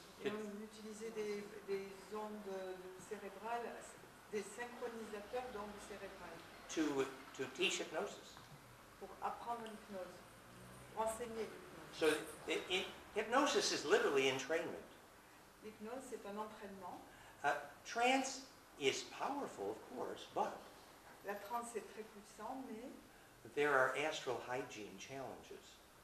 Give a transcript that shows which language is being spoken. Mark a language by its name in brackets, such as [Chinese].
[French] On utilisait des ondes cérébrales, des synchronisateurs d'ondes cérébrales. [English] To teach hypnosis. [French] Pour apprendre l'hypnose, pour enseigner l'hypnose. [English] So hypnosis is literally entrainment. [French] L'hypnose, c'est un entraînement. [English] Trance is powerful, of course, but... [French] La trance est très puissante, mais... [English] There are astral hygiene challenges.